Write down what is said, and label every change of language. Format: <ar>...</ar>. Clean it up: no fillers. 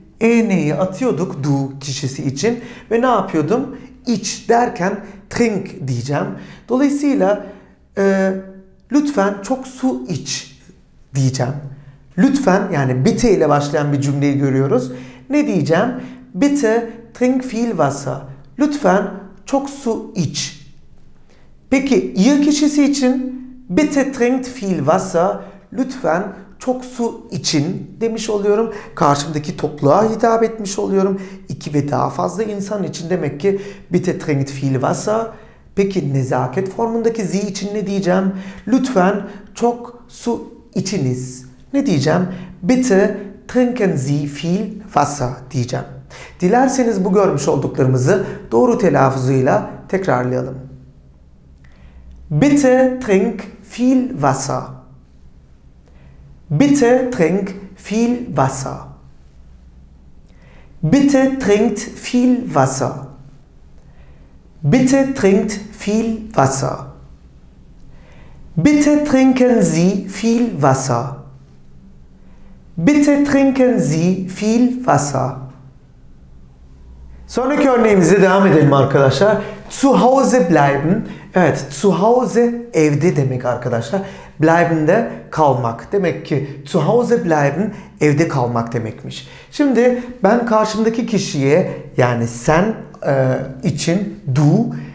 <tr>E'neyi atıyorduk du kişisi için. Ve ne yapıyordum? İç derken trink diyeceğim. Dolayısıyla lütfen çok su iç diyeceğim. Lütfen, yani bitte ile başlayan bir cümleyi görüyoruz. Ne diyeceğim?</tr> <de>Bitte trink viel Wasser.</de> <tr>Lütfen çok su iç. Peki ihr kişisi için</tr> <de>bitte trinkt viel Wasser.</de> <tr>Lütfen çok su için demiş oluyorum. Karşımdaki topluğa hitap etmiş oluyorum. İki ve daha fazla insan için demek ki</tr> <de>bitte trinkt viel Wasser.</de> <tr>Peki nezaket formundaki sie için ne diyeceğim? Lütfen çok su içiniz. Ne diyeceğim?</tr> <de>Bitte trinken Sie viel Wasser</de> <tr>diyeceğim. Dilerseniz bu görmüş olduklarımızı doğru telaffuzuyla tekrarlayalım.</tr> <de>Bitte trink viel Wasser. Bitte trink viel Wasser. Bitte trinkt viel Wasser. Bitte trinkt viel Wasser. Bitte trinken Sie viel Wasser. Bitte trinken Sie viel Wasser.</de> <tr>Sonraki örneğimize devam edelim arkadaşlar.</tr> <de>Zu Hause bleiben.</de> <tr>Evet, zu Hause evde demek arkadaşlar. Bleiben de kalmak. Demek ki</tr> <de>zu Hause bleiben</de> <tr>evde kalmak demekmiş. Şimdi ben karşımdaki kişiye, yani sen için du</tr>